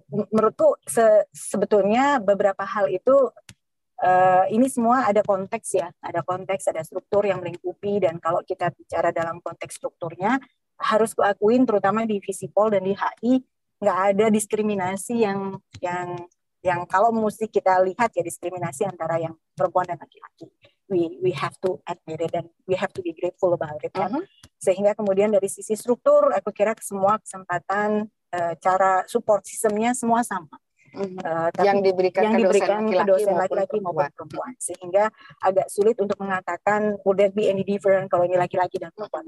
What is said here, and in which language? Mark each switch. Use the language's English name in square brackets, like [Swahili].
[Indonesian] Menurutku sebetulnya beberapa hal itu, ini semua ada konteks ya, ada konteks, ada struktur yang melingkupi, dan kalau kita bicara dalam konteks strukturnya, harus kuakuin terutama di Visipol dan di HI, nggak ada diskriminasi yang kalau mesti kita lihat ya, diskriminasi antara yang perempuan dan laki-laki. [English] We have to admit it and we have to be grateful about it. Uh-huh. [Indonesian] Sehingga kemudian dari sisi struktur, aku kira semua kesempatan, cara support sistemnya semua sama. Yang diberikan ke dosen laki-laki maupun perempuan. Sehingga agak sulit untuk mengatakan [English] would that be any different [Indonesian] kalau ini laki-laki dan perempuan.